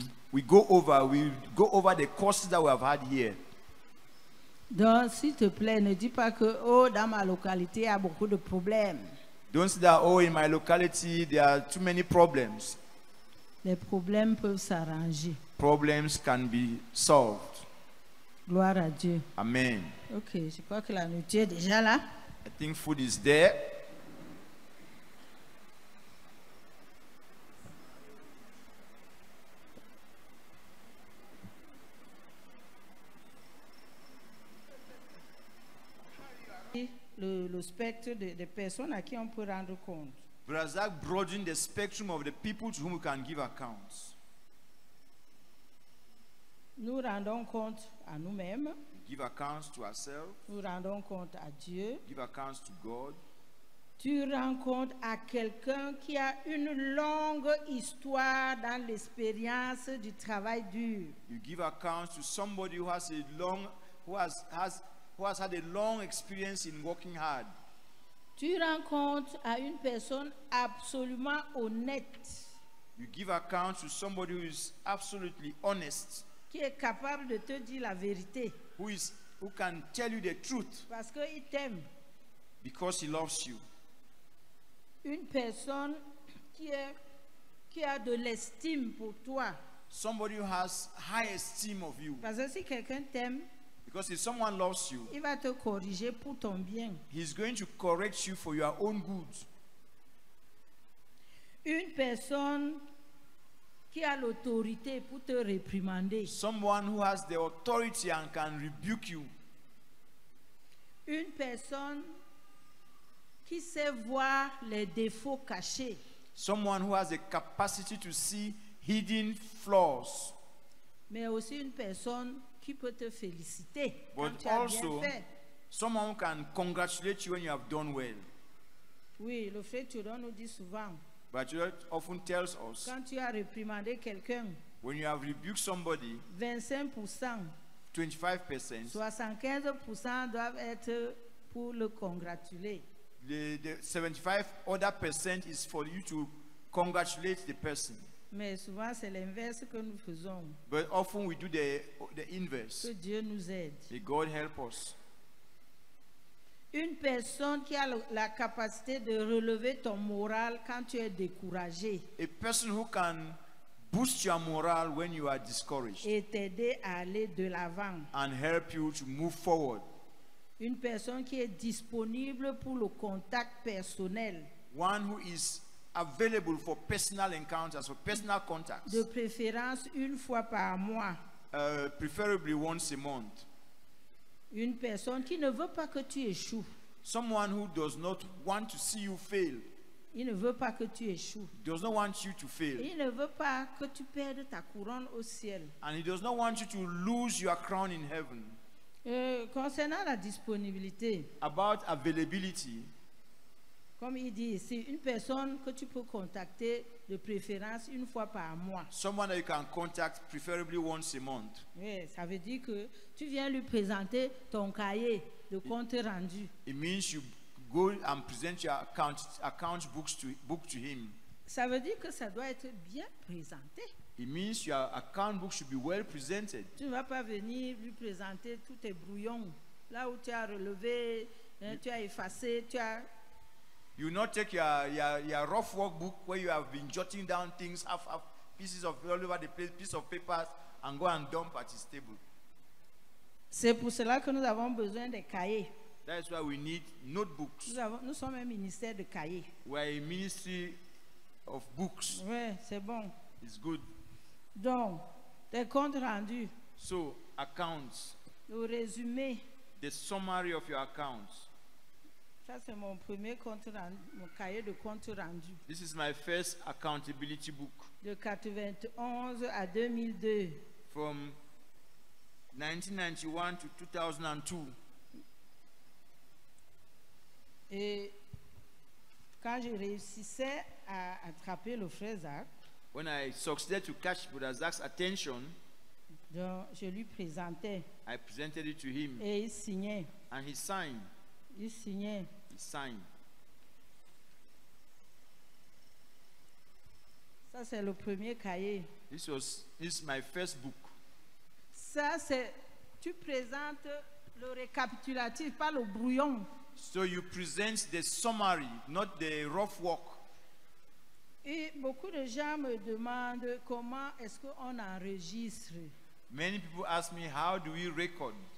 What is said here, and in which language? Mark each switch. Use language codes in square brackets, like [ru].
[en] We go over the courses that we have had here. [fr] Donc s'il te plaît, ne dis pas que dans ma localité il y a beaucoup de problèmes. [en] Don't say that in my locality there are too many problems. [fr] Les problèmes peuvent s'arranger. [en] Problems can be solved. [fr] Gloire à Dieu. Amen. Ok, je crois que la nourriture est déjà là. [en] I think food is there. [fr] Le spectre des personnes à qui on peut rendre compte. [en] Brazak broadened the spectrum of the people to whom we can give accounts. [fr] Nous rendons compte à nous-mêmes. [en] Give accounts to ourselves. [fr] Nous rendons compte à Dieu. [en] Give accounts to God. [fr] tu rencontres à quelqu'un qui a une longue histoire dans l'expérience du travail dur. [en] You give account to somebody who has a long, who has had a long experience in working hard. [fr] Tu rencontres à une personne absolument honnête. [en] You give account to somebody who is absolutely honest. [fr] Qui est capable de te dire la vérité. [en] Who can tell you the truth. [fr] Parce qu'il t'aime. [en] Because he loves you. [fr] Une personne qui a de l'estime pour toi. [en] Somebody who has high esteem of you. [fr] Parce que si quelqu'un t'aime. [en] Because if someone loves you. [fr] Il va te corriger pour ton bien. [en] He's going to correct you for your own good. [fr] Une personne qui a l'autorité pour te réprimander. [en] Someone who has the authority and can rebuke you. [fr] Une personne qui sait voir les défauts cachés. [en] Someone who has the capacity to see hidden flaws. [fr] Mais aussi une personne qui peut te féliciter [en] but [fr] quand tu [en] also, [fr] as bien fait. [en] Someone who can congratulate you when you have done well. [fr] Oui, le frère Thuron nous dit souvent. [en] But you often tells us. [fr] Quand tu as réprimandé quelqu'un. [en] When you have rebuked somebody. [fr] 25%. [en] 25%. [fr] 75% doivent être pour le congratuler. [en] The 75 other percent is for you to congratulate the person. [fr] Mais souvent c'est l'inverse que nous faisons. [en] But often we do the inverse. [fr] Que Dieu nous aide. [en] May God help us. [fr] Une personne qui a la capacité de relever ton moral quand tu es découragé. [en] A person who can boost your morale when you are discouraged. [fr] Et t'aider à aller de l'avant. [en] And help you to move forward. [fr] Une personne qui est disponible pour le contact personnel. [en] One who is available for personal encounters, for personal contacts. [fr] De préférence une fois par mois. [en] Preferably once a month. [fr] Une personne qui ne veut pas que tu échoues. [en] Someone who does not want to see you fail. [fr] Il ne veut pas que tu échoues. [en] Does not want you to fail. [fr] Il ne veut pas que tu perdes ta couronne au ciel. [en] And he does not want you to lose your crown in heaven. [fr] Concernant la disponibilité. [en] About availability. [fr] Comme il dit, c'est une personne que tu peux contacter de préférence une fois par mois. [en] Someone that you can contact preferably once a month. [fr] Yes, ça veut dire que tu viens lui présenter ton cahier de compte rendu. [en] It means you go and present your account book to him. [fr] Ça veut dire que ça doit être bien présenté. [en] It means your account book should be well presented. [fr] Tu ne vas pas venir lui présenter tous tes brouillons là où tu as relevé, hein, tu as effacé, tu as. [en] You not take your rough workbook where you have been jotting down things, half pieces of all over the place, piece of papers, and go and dump at his table. [fr] C'est pour cela que nous avons besoin de cahiers. [en] That is why we need notebooks. [fr] Nous sommes un ministère de cahiers. [en] We are a ministry of books. [fr] Ouais, c'est bon. [en] It's good. [fr] Donc, des comptes rendus. [en] So, accounts. [fr] Le résumé. [en] The summary of your accounts. [fr] Ça, c'est mon premier compte rendu, mon cahier de compte rendu. [en] This is my first accountability book. [fr] De 91 à 2002. [en] From 1991 to 2002. [fr] Et quand je réussissais à attraper le frère Zach, [en] when I succeeded to catch Brother Zach's attention, [fr] donc je lui présentais. [en] I presented it to him. [fr] Et il signait. [en] And he signed. [fr] Il signait. [en] He signed. [fr] Ça c'est le premier cahier. [en] This is my first book. [fr] Ça c'est, tu présentes le récapitulatif, pas le brouillon. [en] So you present the summary, not the rough work. [fr] Et beaucoup de gens me demandent comment est-ce qu'on enregistre. [en] Many people ask me how do we record.